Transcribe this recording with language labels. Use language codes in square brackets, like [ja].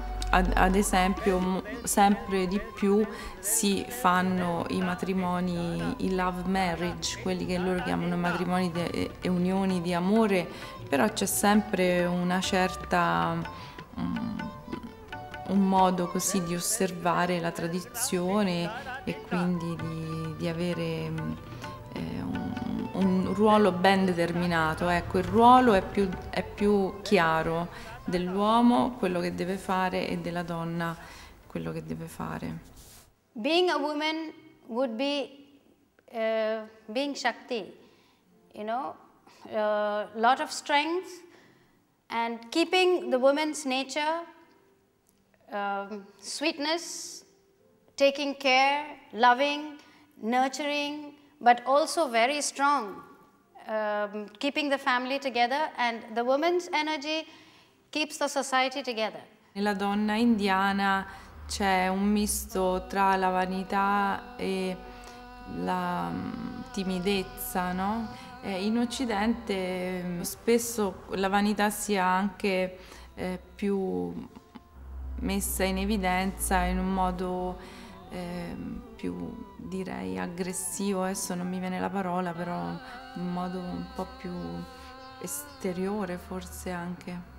[it] ad esempio, sempre di più si fanno i matrimoni, i love marriage, quelli che loro chiamano matrimoni e unioni di amore, però c'è sempre una certa, un modo così di osservare la tradizione e quindi di avere un un ruolo ben determinato, ecco, il ruolo è più chiaro dell'uomo, quello che deve fare, e della donna, quello che deve fare. [en] Being a woman would be being Shakti, you know, a lot of strength, and keeping the woman's nature, sweetness, taking care, loving, nurturing, but also very strong, keeping the family together, and the woman's energy keeps the society together. [it] Nella donna indiana c'è un misto tra la vanità e la timidezza, no? In Occidente spesso la vanità sia anche più messa in evidenza in un modo più, direi, aggressivo, adesso non mi viene la parola, però in modo un po' più esteriore forse anche.